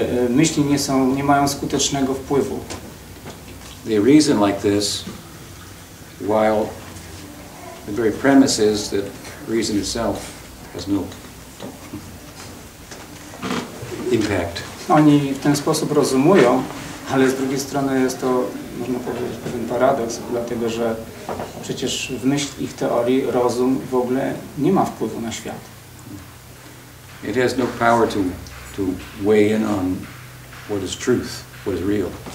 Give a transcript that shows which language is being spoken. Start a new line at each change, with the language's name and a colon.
Polish: Myśli nie mają skutecznego wpływu.
English: They reason like this, while the very premise is that reason itself has no impact.
Polish: Oni w ten sposób rozumują, ale z drugiej strony jest to, można powiedzieć, pewien paradoks, dlatego że przecież w myśl ich teorii rozum w ogóle nie ma wpływu na świat.
English: It has no power to weigh in on what is truth, what is real.